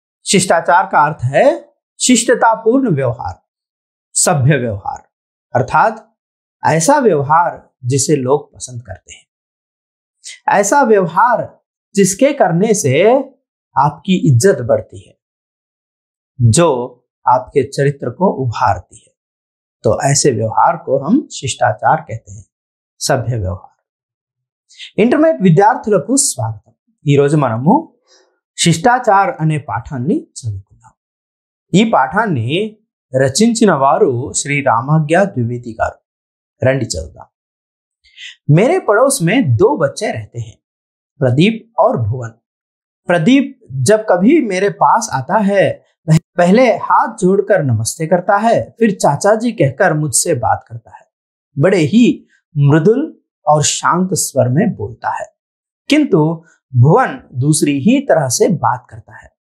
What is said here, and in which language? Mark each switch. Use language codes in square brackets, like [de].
[hi] शिष्टाचार का अर्थ है शिष्टतापूर्ण व्यवहार, सभ्य व्यवहार, अर्थात ऐसा व्यवहार जिसे लोग पसंद करते हैं, ऐसा व्यवहार जिसके करने से आपकी इज्जत बढ़ती है, जो आपके चरित्र को उभारती है. तो ऐसे व्यवहार को हम शिष्टाचार कहते हैं, सभ्य व्यवहार. [te] इंटरमीडिएट विद्यार्थुलकु स्वागतम. ఈ రోజు మనము శిష్టాచార్ అనే పాఠాన్ని చదువుకుందాం. ఈ పాఠాన్ని రచించిన వారు శ్రీ రామాజ్ఞా ద్వివేది గారు. రండి చదువుదాం. [hi] मेरे पड़ोस में दो बच्चे रहते हैं, प्रदीप और भुवन. प्रदीप जब कभी मेरे पास आता है पहले हाथ जोड़कर नमस्ते करता है, फिर चाचा जी कहकर मुझसे बात करता है. बड़े ही मृदुल और शांत स्वर में बोलता है, किंतु भुवन दूसरी ही तरह से बात करता है.